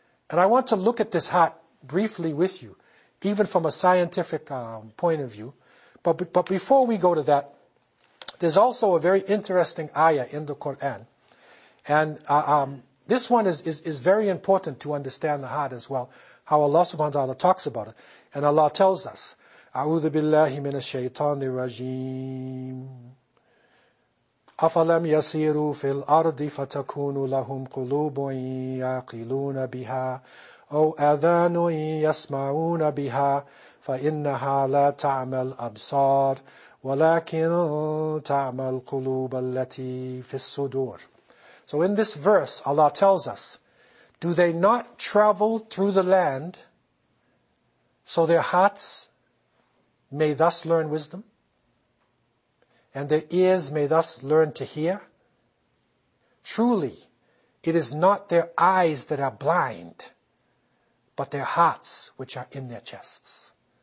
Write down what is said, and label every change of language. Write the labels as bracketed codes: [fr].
[en] And I want to look at this heart briefly with you, even from a scientific point of view. But before we go to that, there's also a very interesting ayah in the Quran. And this one is very important to understand the heart as well, how Allah subhanahu wa ta'ala talks about it. And Allah tells us, [ar] أعوذ بالله من الشيطان الرجيم أفلم يسيروا في الأرض فتكون لهم قلوب يعقلون بها أو آذان يسمعون بها فإنها لا تعمى الأبصار ولكن تعمى القلوب التي في الصدور. [en] So in this verse, Allah tells us, do they not travel through the land so their hearts may thus learn wisdom, and their ears may thus learn to hear? Truly, it is not their eyes that are blind, but their hearts which are in their chests.